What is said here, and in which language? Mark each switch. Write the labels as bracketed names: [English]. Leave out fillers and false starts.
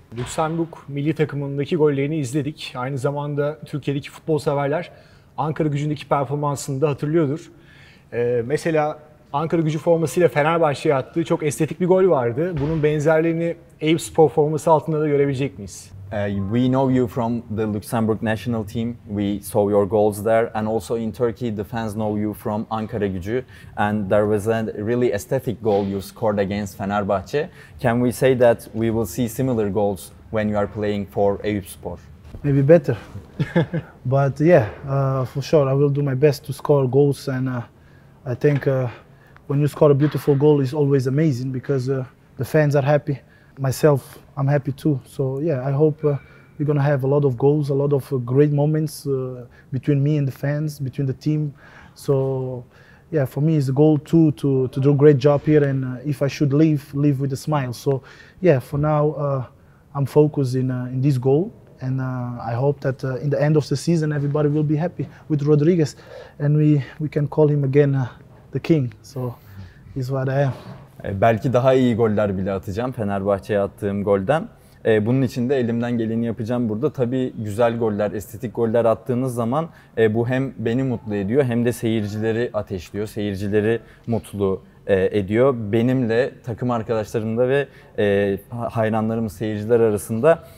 [Turkish] Lüksemburg milli takımındaki gollerini izledik. Aynı zamanda Türkiye'deki futbol severler Ankara Gücü'ndeki performansını da hatırlıyordur. Mesela Ankara Gücü formasıyla Fenerbahçe'ye attığı çok estetik bir gol vardı. Bunun benzerlerini Eyüp Spor forması altında da görebilecek miyiz? [English] We know you from the Luxembourg national team. We saw your goals there. And also in Turkey, the fans know you from Ankara Gücü. And there was a really aesthetic goal you scored against Fenerbahçe. Can we say that we will see similar goals when you are playing for Eyüp Spor? Maybe better. But yeah, for sure, I will do my best to score goals. And I think when you score a beautiful goal, it's always amazing because the fans are happy. Myself, I'm happy too. So yeah, I hope we're gonna have a lot of goals, a lot of great moments between me and the fans, between the team. So yeah, for me, it's a goal too to do a great job here. And if I should leave with a smile. So yeah, for now, I'm focused in this goal. And I hope that in the end of the season, everybody will be happy with Rodriguez. And we can call him again the king. So he's what I am. [Turkish] Belki daha iyi goller bile atacağım Fenerbahçe'ye attığım golden. Bunun için de elimden geleni yapacağım burada. Tabii güzel goller, estetik goller attığınız zaman bu hem beni mutlu ediyor hem de seyircileri ateşliyor. Seyircileri mutlu ediyor. Benimle, takım arkadaşlarımla ve hayranlarımız, seyirciler arasında